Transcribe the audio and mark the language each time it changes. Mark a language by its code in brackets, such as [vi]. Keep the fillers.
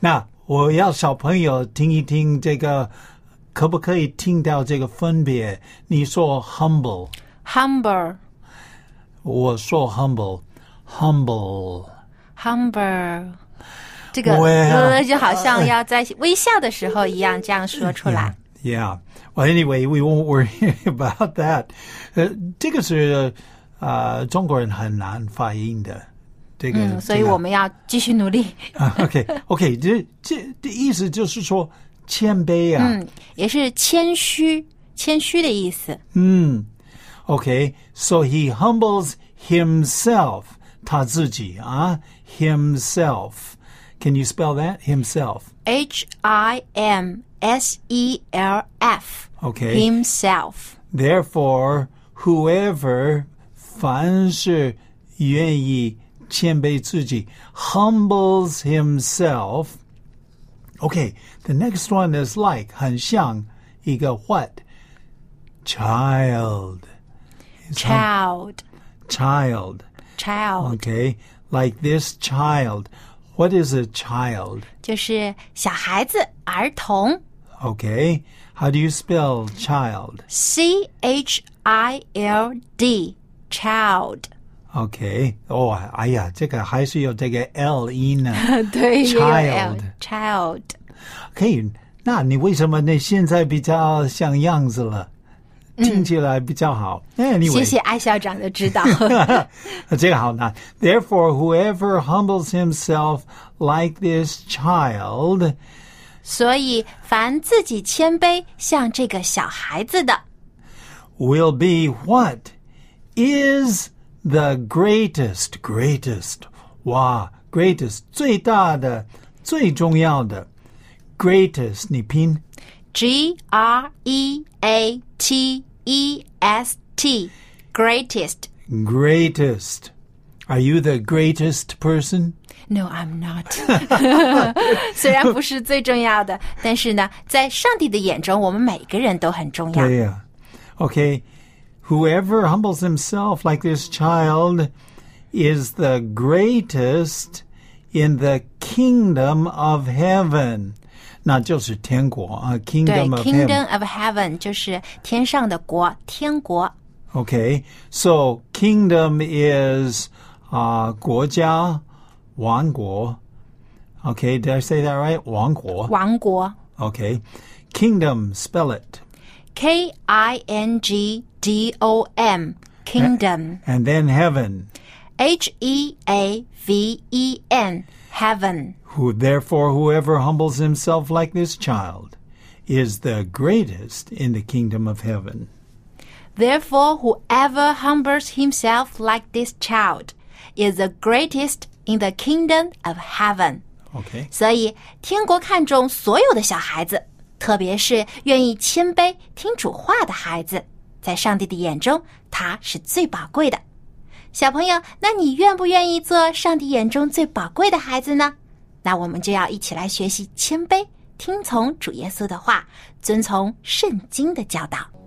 [zh] 那我要小朋友听一听这个，可不可以听到这个分别？你说 humble，humble，我说 humble，humble，humble。这个、uh, 就好像要在微笑的时候一样，这样说出来。 [en] Yeah, yeah, well, anyway, we won't worry about that. [zh] 呃、uh,，这个是啊，uh, 中国人很难发音的。这个，嗯、所以我们要继续努力。 o k o k 这这的意思就是说谦卑啊、嗯，也是谦虚，谦虚的意思。 [en] 嗯 o、okay, k so he humbles himself， [zh] 他自己啊， [en] himself。 Can you spell that? Himself. H I M S E L F. Okay. Himself. Therefore, whoever [zh] 凡是愿意谦卑自己, [en] humbles himself. Okay, the next one is like [zh] 很像一个 [en] what? Child. Child. child. Child. Child. Okay, like this child. What is a child? [zh] 就是小孩子、儿童。 [en] Okay, how do you spell child? C H I L D, child. Okay. [zh] Oh, 哎呀，这个还是有这个 L 音呢。对，child, [en] child. [zh] Okay, 那你为什么那现在比较像样子了？听起来比较好。谢谢艾校长的指导。那这个好呢。 [en] Therefore, whoever humbles himself like this child， [zh] 所以凡自己谦卑像这个小孩子的 [en] ，will be what is the greatest, greatest 哇，greatest [zh] 最大的、最重要的， [en] greatest [zh] 你拼 [en] ，g r e a t。 E S T greatest. Greatest. Are you the greatest person? No, I'm not. [zh] 雖然不是最重要的,但是呢,在上帝的眼中, yeah. [en] okay. whoever humbles himself like this child is the greatest in the kingdom of heaven. [zh] 那就是天国啊，Kingdom uh, of Heaven。 [en] 对，Kingdom heaven. [zh] of Heaven 就是天上的国，天国。 [en] Okay，so Kingdom is 啊、uh, [zh] 国家王国。 [en] Okay，did I say that right? [zh] 王国。王国。 [en] Okay, Kingdom. spell it. K I N G D O M. Kingdom and, and then heaven H E A V E N heaven Therefore, whoever humbles himself like this child, is the greatest in the kingdom of heaven. Therefore, whoever humbles himself like this child, is the greatest in the kingdom of heaven. Okay. [zh] 所以，天国看重所有的小孩子，特别是愿意谦卑听主话的孩子，在上帝的眼中，他是最宝贵的。小朋友，那你愿不愿意做上帝眼中最宝贵的孩子呢？那我们就要一起来学习谦卑，听从主耶稣的话，遵从圣经的教导。